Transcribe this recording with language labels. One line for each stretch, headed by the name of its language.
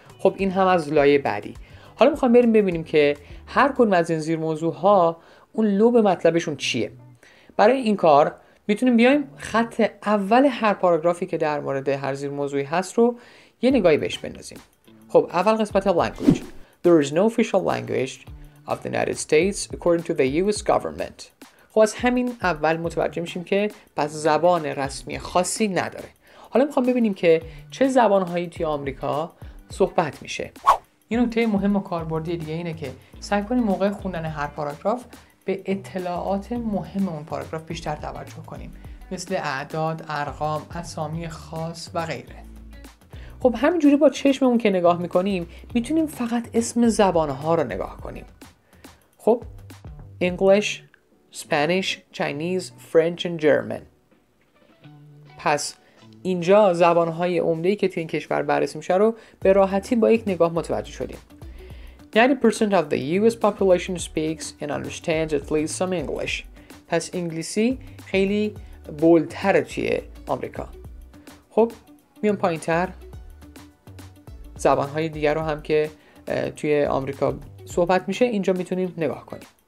Persian: خب این هم از لایه بعدی. حالا میخوام بریم ببینیم که هر کدوم از این زیر موضوع ها اون لوب مطلبشون چیه. برای این کار میتونیم بیایم خط اول هر پاراگرافی که در مورد هر زیر موضوعی هست رو یه نگاهی بهش بندازیم. خب اول قسمت language.
English: There is no official language of the United States according to the US government.
Persian: خب از همین اول متوجه میشیم که پس زبان رسمی خاصی نداره. حالا میخوام ببینیم که چه زبانهایی توی آمریکا صحبت میشه. یه نکته مهم و کاربردی دیگه اینه که سعی کنیم موقع خوندن هر پاراگراف به اطلاعات مهم اون پاراگراف بیشتر توجه کنیم، مثل اعداد، ارقام، اسامی خاص و غیره. خب همینجوری با چشممون که نگاه میکنیم میتونیم فقط اسم زبانها رو نگاه کنیم.
English: خب English, Spanish, Chinese, French and German.
Persian: پس اینجا زبان‌های عمده‌ای که توی این کشور بررسی میشه رو به راحتی با یک نگاه متوجه شدیم.
English: 90% of the US population speaks and understands at least some English.
Persian: پس انگلیسی خیلی بولدتره توی آمریکا. خب میام پایین‌تر. زبان‌های دیگر رو هم که توی آمریکا صحبت میشه اینجا میتونیم نگاه کنیم.